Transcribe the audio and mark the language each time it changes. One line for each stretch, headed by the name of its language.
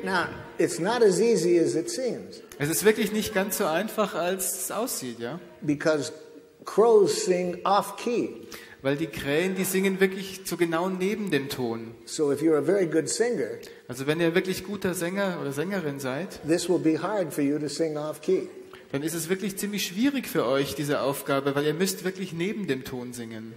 English: Now, it's not as easy as it seems.
German: Es ist wirklich nicht ganz so einfach, als es aussieht, ja?
English: Because crows sing off key.
German: Weil die Krähen, die singen wirklich zu genau neben dem Ton.
English: So if you're a very good singer,
German: also wenn ihr wirklich guter Sänger oder Sängerin seid,
English: this will be hard for you to sing off key.
German: Dann ist es wirklich ziemlich schwierig für euch, diese Aufgabe, weil ihr müsst wirklich neben dem Ton singen.